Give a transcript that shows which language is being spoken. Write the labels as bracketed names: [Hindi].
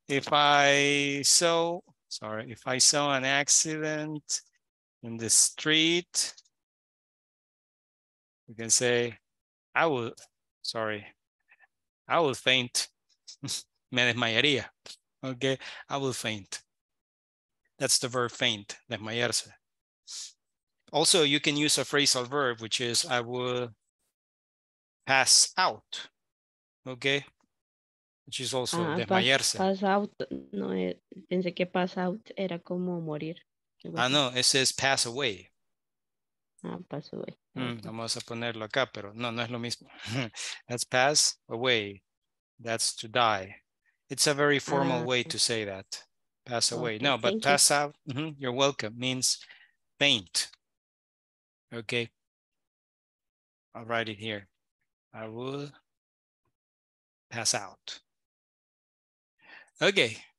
[English] If I saw an accident in the street, you can say, I will faint. [Spanish] Me desmayaría. [English] Okay, I will faint. That's the verb faint, desmayarse. Also, you can use a phrasal verb, which is I will pass out. Okay. Which is also desmayarse. Pass out. [Spanish] No, pensé que pass out era como morir. [English] Ah, no, it says pass away. Pass away. [Spanish] Vamos a ponerlo acá, pero no es lo mismo. [English] That's pass away. That's to die. It's a very formal way to say that. Pass away. Okay, no, but pass you. Out. Mm-hmm, you're welcome. Means faint. Okay. I'll write it here. I will pass out. Okay.